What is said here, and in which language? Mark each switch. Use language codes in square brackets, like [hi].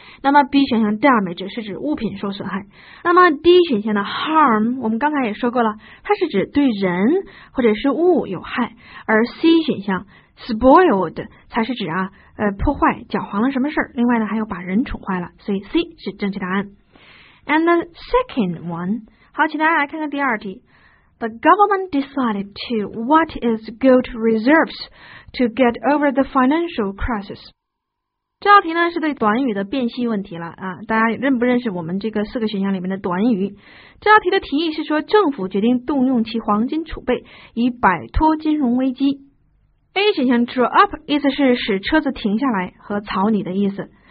[zh] 那么 B 选项 damage 是指物品受损害。那么 D 选项的 harm 我们刚才也说过了，它是指对人或者是物有害。而 C 选项 spoiled 才是指啊破坏搅黄了什么事儿，另外呢还有把人宠坏了，所以 C 是正确答案。 [en] And the second one， [zh] 好，请大家来看看第二题。 [en] The government decided to what is gold reserves to get over the financial crisis。 [zh] 这道题呢是对短语的辨析问题了啊，大家认不认识我们这个四个选项里面的短语？这道题的题意是说政府决定动用其黄金储备以摆脱金融危机。 A 选项 draw up 意思是使车子停下来和草拟的意思。